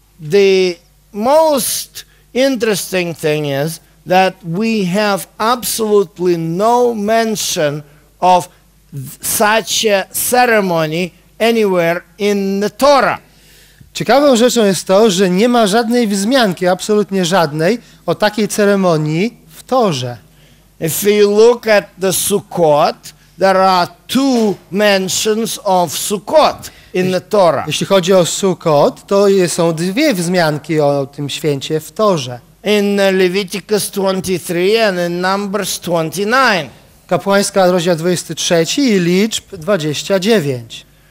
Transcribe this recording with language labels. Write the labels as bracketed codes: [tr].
[en] The most interesting thing is that we have absolutely no mention of such a ceremony anywhere in the Torah. [pl] Ciekawą rzeczą jest to, że nie ma żadnej wzmianki, absolutnie żadnej, o takiej ceremonii w Torze. [en] If you look at the Sukkot, there are two mentions of Sukkot in the Torah. [pl] Jeśli chodzi o Sukkot, to są dwie wzmianki o tym święcie w Torze. [en] In Leviticus 23 and in Numbers 29. [pl] Kapłańska rozdział 23 i Liczb 29.